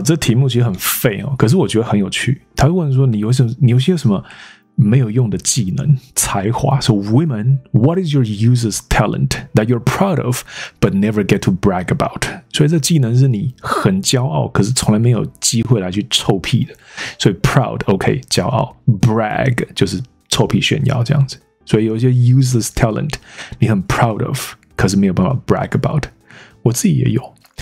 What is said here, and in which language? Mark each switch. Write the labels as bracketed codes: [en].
[zh] 这题目其实很废哦，可是我觉得很有趣。他会问说你有些什么没有用的技能才华。 [en] So women, what is your useless talent that you're proud of but never get to brag about？ [zh] 所以这技能是你很骄傲，可是从来没有机会来去臭屁的。所以 proud OK 骄傲 ，brag 就是臭屁炫耀这样子。所以有一些 [en] useless talent [zh] 你很 [en] proud of， [zh] 可是没有办法 [en] brag about。 [zh] 我自己也有。